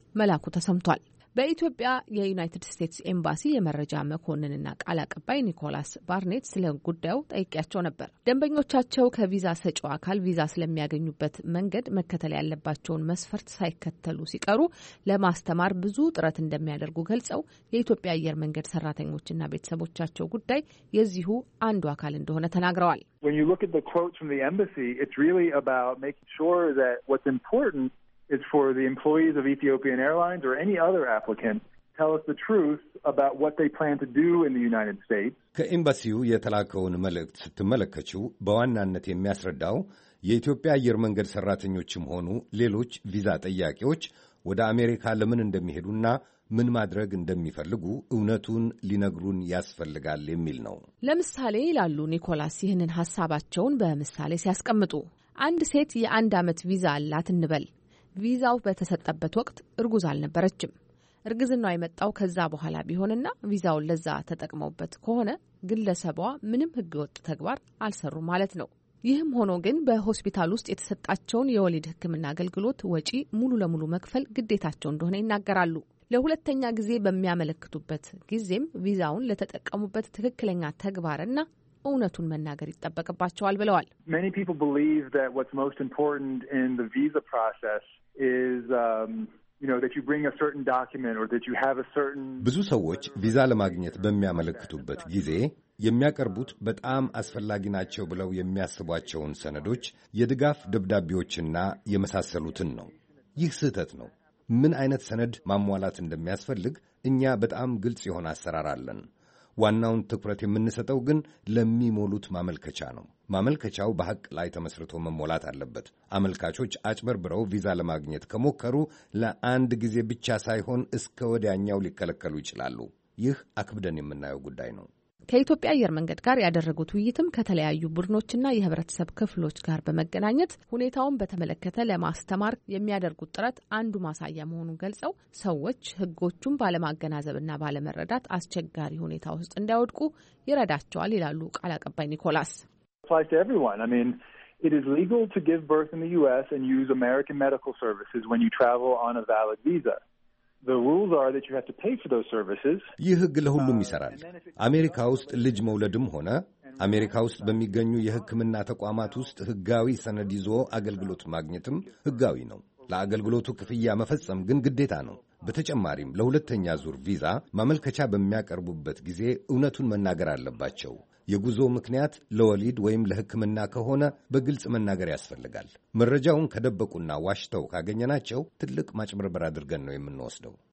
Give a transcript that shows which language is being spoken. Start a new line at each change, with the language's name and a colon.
Amharic: መላኩ ተሰምቷል። በኢትዮጵያ የዩናይትድ ስቴትስ ኤምባሲ የመረጃ መኮንንና ቃል አቀባይ ኒኮላስ ባርኔት ስለ ጉዳዩ ጠይቄያቸው ነበር። ደንበኞቻቸው ከቪዛ ሰጪው አካል ቪዛ ስለሚያገኙበት መንገድ መከተል ያለባቸውን መስፈርት ሳይከተሉ ሲቀሩ ለማስተማር ብዙ ጥረት እንደሚያደርጉ ገልጸው የኢትዮጵያ አየር መንገድ ሰራተኞችና ቤተሰቦቻቸው ጉዳይ የዚሁ አንዱ አካል እንደሆነ ተናግረዋል።
English: When you look at the quotes from the embassy, it's really about making sure that what's important is for the employees of Ethiopian Airlines or any other applicant tell us the truth about what they plan to do in the United States.
Amharic: ከኢምባሲው የተላከውን መልእክት ስትመለከቱ በዋናነት የሚያስረዳው የኢትዮጵያ አየር መንገድ ሰራተኞችም ሆኑ ሌሎች ቪዛ ጠያቂዎች ወደ አሜሪካ ለምን እንደሚሄዱና ምን ማድረግ እንደሚፈልጉ እውነቱን ሊነግሩን ያስፈልጋል የሚል ነው። ለምሳሌ ይላሉ ኒኮላስ ይህንን ሐሳባቸውን በመሳሌ ሲያስቀምጡ አንድ ሴት የአንድ አመት ቪዛ አላት እንበል ቪዛው በተሰጠበት ወቅት እርጉዝ አልነበረችም እርግዝናው አይመጣው ከዛ በኋላ ቢሆንና ቪዛው ለዛ ተጠቅመውበት ከሆነ ግለሰቧ ምንም ህገወጥ ተግባር አልሰሩ ማለት ነው። ይህም ሆኖ ግን በሆስፒታል ውስጥ የተሰጣቸውን የወሊድ ህክምና አገልግሎት ወጪ ሙሉ ለሙሉ መክፈል ግዴታቸው እንደሆነ ይናገራሉ። ለሁለተኛ ጊዜ በሚያመለክቱበት ጊዜም ቪዛውን ለተጠቀሙበት ትክክለኛ ተግባርና እውነቱን መናገር ይጠበቅባቸዋል ብለዋል።
English: Many people believe that what's most important in the visa process is that you bring a certain document or that you have a certain
Amharic: ብዙ ሰዎች ቪዛ ለማግኘት በሚያመለክቱበት ጊዜ የሚያቀርቡት በጣም አስፈላጊ ናቸው ብለው የሚያስቧቸውን ሰነዶች የድጋፍ ደብዳቤዎችና የመሳሰሉትን ነው። ይህ ስህተት ነው። ምን አይነት ሰነድ ማሟላት እንደሚያስፈልግ እኛ በጣም ግልጽ የሆነ አሰራር አለን። ዋናውን ትኩረት የምንሰጠው ግን ለሚሞሉት ማመልከቻ ነው። ማመልከቻው በሐቅ ላይ ተመስርቶ መሟላት አለበት። አመልካቾች አጭበርብረው ቪዛ ለማግኘት ከመከሩ ለአንድ ጊዜ ብቻ ሳይሆን እስከ ወዲያኛው ሊከለከሉ ይችላሉ። ይህ አክብደን የምናየው ጉዳይ ነው። ከኢትዮጵያ አየር መንገድ ጋር ያደረጉት ውይይትም ከተለያዩ ቡድኖችና የህብረተሰብ ክፍሎች ጋር በመገናኘት ሁኔታውን በተመለከተ ለማስተማር የሚያደርጉት ጥረት አንዱ ማሳያ መሆኑን ገልጸው ሰዎች ህጎቹን ባለማገናዘብና ባለመረዳት አስቸጋሪ ሁኔታ ውስጥ እንዳይወድቁ ይረዳቸዋል ይላሉ ቃል አቀባይ ኒኮላስ።
English: It is legal to give birth in the US and use American medical services when you travel on a valid visa. The rules are that you have to pay for those services.
Amharic: ይህግ ለሁሉም ይሰራል። አሜሪካ ውስጥ ልጅ መውለድም ሆነ አሜሪካ ውስጥ በሚገኙ የህክምና ተቋማት ውስጥ ህጋዊ ሰነድ ይዞ አገልግሎት ማግኘትም ህጋዊ ነው። ለአገልግሎቱ ክፍያ መፈጸም ግን ግዴታ ነው። በተጨማሪም ለሁለተኛ ዙር ቪዛ ማመልከቻ በሚያቀርቡበት ጊዜ እውነቱን መናገር አለባቸው። የጉዞ ምክንያት ለወሊድ ወይም ለህክምና ከሆነ በግልጽ መናገር ያስፈልጋል። መረጃውን ከደበቁና ዋሽተው ካገኘናቸው ትልቅ ማጭበርበር አድርገን ነው የምንወስደው።